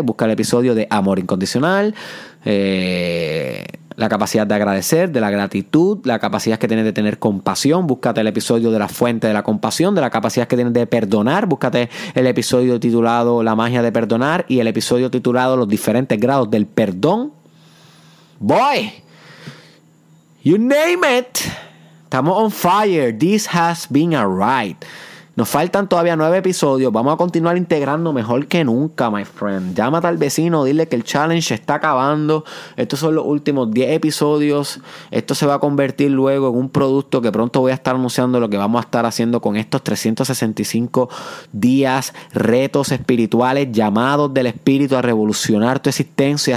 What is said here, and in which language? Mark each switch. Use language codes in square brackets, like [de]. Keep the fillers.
[es] Buscar el episodio de amor incondicional. Eh la capacidad de agradecer, de la gratitud, la capacidad que tienes de tener compasión, búscate el episodio de la fuente de la compasión, de la capacidad que tienes de perdonar, búscate el episodio titulado La magia de perdonar y el episodio titulado Los diferentes grados del perdón. [en] Boy, you name it, estamos on fire, this has been a ride. [es] Nos faltan todavía nueve episodios. Vamos a continuar integrando mejor que nunca, [en] my friend. [es] Llámate al vecino, dile que el challenge está acabando. Estos son los últimos diez episodios. Esto se va a convertir luego en un producto que pronto voy a estar anunciando lo que vamos a estar haciendo con estos 365 días, retos espirituales, llamados del espíritu a revolucionar tu existencia.